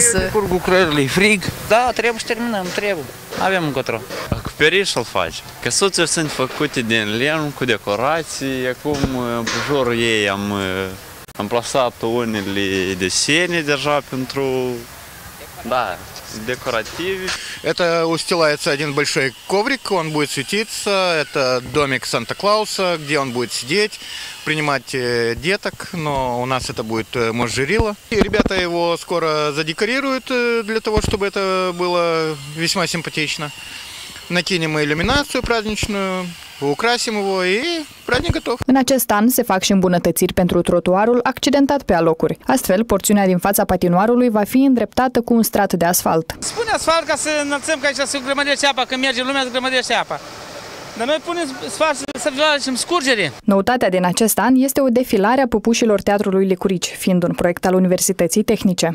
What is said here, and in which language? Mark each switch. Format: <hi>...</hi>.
<ro>Să curg lucrările, frig. Da, trebuie să terminăm, trebuie. Avem încotro. Acoperișul face. Căsuțe sunt făcute din lemn cu decorații. Acum, în jurul ei, am plasat unele desene deja pentru...</ro> <ru>Да, декоративы. Это устилается один большой коврик, он будет светиться. Это домик Санта-Клауса, где он будет сидеть, принимать деток. Но у нас это будет мажорила. Ребята его скоро задекорируют для того, чтобы это было весьма симпатично. Накинем иллюминацию праздничную. Украсим его и праздник готов.</ru> <ro>În acest an se fac și îmbunătățiri pentru trotuarul accidentat pe alocuri. Astfel, porțiunea din fața patinoarului va fi îndreptată cu un strat de asfalt. Spune asfalt ca să înălțăm, că aici se grămădește apa, când merge lumea se grămădește apa. Dar noi punem asfalt să facem scurgere. Noutatea din acest an este o defilare a păpușilor Teatrului Licurici, fiind un proiect al Universității Tehnice.</ro>